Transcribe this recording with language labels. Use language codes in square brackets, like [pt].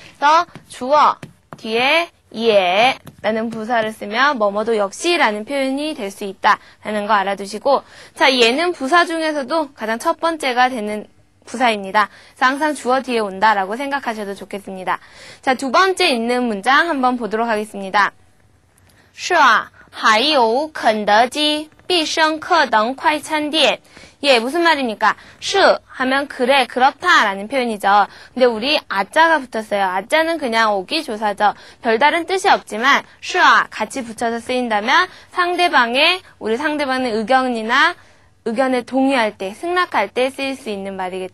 [ko] 그래서 주어 뒤에 예 라는 부사를 쓰면 뭐뭐도 역시 라는 표현이 될 수 있다 라는 거 알아두시고, 자, 예는 부사 중에서도 가장 첫 번째가 되는 부사입니다. 그래서 항상 주어 뒤에 온다 라고 생각하셔도 좋겠습니다. 자, 두 번째 있는 문장 한번 보도록 하겠습니다. [zh] 是啊, 还有 肯德基, 必胜客 等 快餐店. [ko] 예, 무슨 말입니까? 是 하면 그래, 그렇다 라는 표현이죠. 근데 우리 아자가 붙었어요. 아자는 그냥 오기조사죠. 별다른 뜻이 없지만 是啊 같이 붙여서 쓰인다면 상대방의, 우리 상대방의 의견이나 의견에 동의할 때, 승낙할 때 쓰일 수 있는 말이겠죠.